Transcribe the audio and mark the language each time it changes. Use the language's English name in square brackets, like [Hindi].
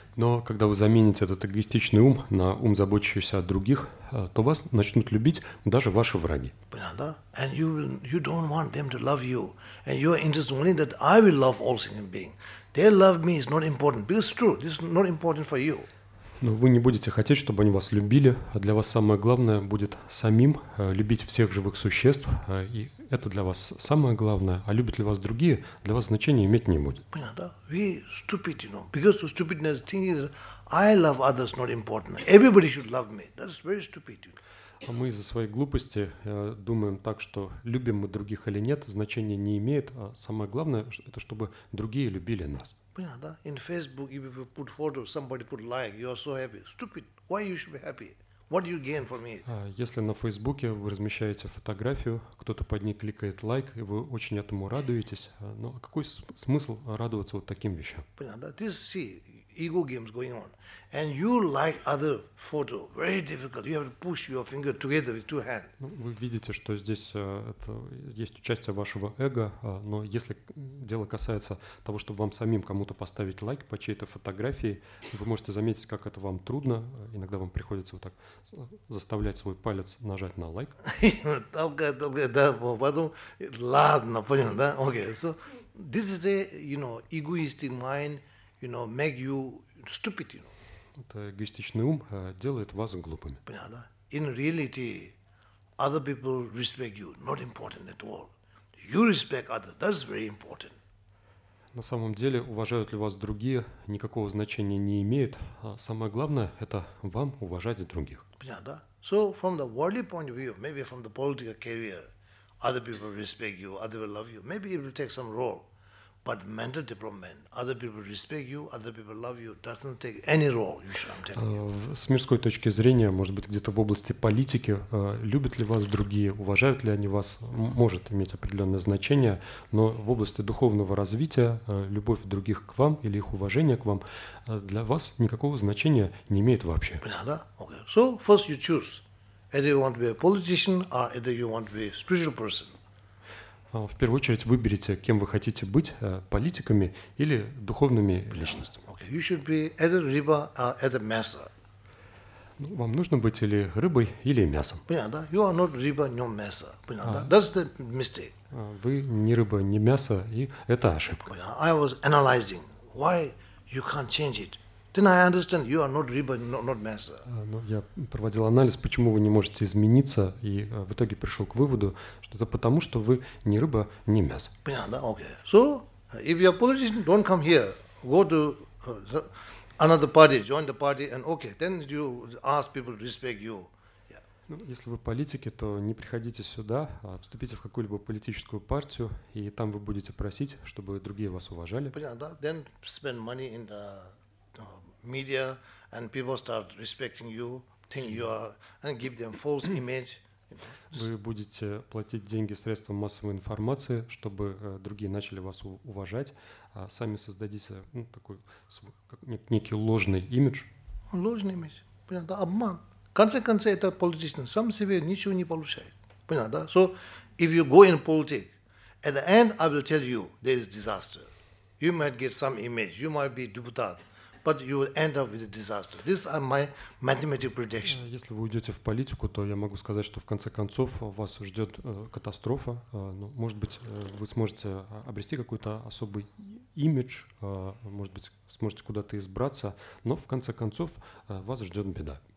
[Russian] Но когда вы замените этот эгоистичный ум на ум, заботящийся о других, то вас начнут любить даже ваши враги. [English] And you don't want them to love you, and you are interested only that I will love all sentient beings. Their love me is not important, because it's true, this is not important for you. [Russian] Но вы не будете хотеть, чтобы они вас любили, а для вас самое главное будет самим любить всех живых существ, и это для вас самое главное, а любят ли вас другие, для вас значения иметь не будет. Понятно, да? [English] We stupid, you know, because the stupidness thing is, I love others not important, everybody should love me, that's very stupid, you know. [Russian] А мы из-за своей глупости думаем так, что любим мы других или нет, значения не имеет, а самое главное, это чтобы другие любили нас. Понятно, да? [English] In Facebook, if you put photo, somebody put like, you are so happy. Stupid. Why you should be happy? What do you gain from it? [Russian] Если на Фейсбуке вы размещаете фотографию, кто-то под ней кликает лайк, и вы очень этому радуетесь, ну а какой смысл радоваться вот таким вещам? Понятно, да? [English] This, see, ego games going on. And you like other photo. Very difficult. You have to push your finger together with two hands. [Russian] Ну, вы видите, что здесь это есть участие вашего эго, но если дело касается того, чтобы вам самим кому-то поставить лайк по чьей-то фотографии, вы можете заметить, как это вам трудно. Иногда вам приходится вот так заставлять свой палец нажать на лайк. Потом, ладно, понял, да? [English] Okay, so this is a, you know, egoistic mind, you know, make you stupid, you know. [Russian] Это эгоистичный ум делает вас глупыми. Понятно, да? [English] In reality, other people respect you, not important at all. You respect others, that's very important. [Russian] На самом деле, уважают ли вас другие, никакого значения не имеет. А самое главное, это вам уважать других. Понятно, да? [English] So, from the worldly point of view, maybe from the political career, other people respect you, other will love you. Maybe it will take some role. But mental development, other people respect you, other people love you, doesn't take any role, you should, I'm telling you. [Russian] С мирской точки зрения, может быть, где-то в области политики, любят ли вас другие, уважают ли они вас, может иметь определенное значение, но в области духовного развития, любовь других к вам или их уважение к вам, для вас никакого значения не имеет вообще. Понятно, да? [English] Okay. So, first you choose, either you want to be a politician or either you want to be a spiritual person. [Russian] В первую очередь выберите, кем вы хотите быть, политиками или духовными личностями. [English] Okay. You should be either rib or either mesa. [Russian] Ну, вам нужно быть или рыбой, или мясом. Понятно, да? [English] You are not rib, nor mesa. Понятно, да? That's the mistake. [Russian] Вы не рыба, не мясо, и это ошибка. Понятно? [English] I was analyzing why you can't change it. Then I understand you are not rib, not mesa. [Russian] Ну, я проводил анализ, почему вы не можете измениться, и в итоге пришел к выводу, что это потому, что вы не рыба, не мясо. Понятно, да? [English] Okay. So, if you're a politician, don't come here. Go to another party, join the party, and okay, then you ask people to respect you. [Russian] Ну, если вы политики, то не приходите сюда, а вступите в какую-либо политическую партию, и там вы будете просить, чтобы другие вас уважали. Понятно, да? [English] Then spend money in the media, and people start respecting you, think you are, and give them false image. [Russian] Вы будете платить деньги средствам массовой информации, чтобы другие начали вас уважать, а сами создадите такой некий ложный имидж. Ложный имидж, понятно, да? Обман. В конце концов, это политично, сам себе ничего не получает, понятно, да? [English] So, if you go in politics, at the end, I will tell you, there is disaster. You might get some image, you might be deputy. But you will end up with a disaster. This is my mathematical prediction. [Russian] Если вы уйдете в политику, то я могу сказать, что в конце концов вас ждет катастрофа. Но, может быть, вы сможете обрести какой-то особый имидж, может быть, сможете куда-то избраться, но в конце концов вас ждет беда.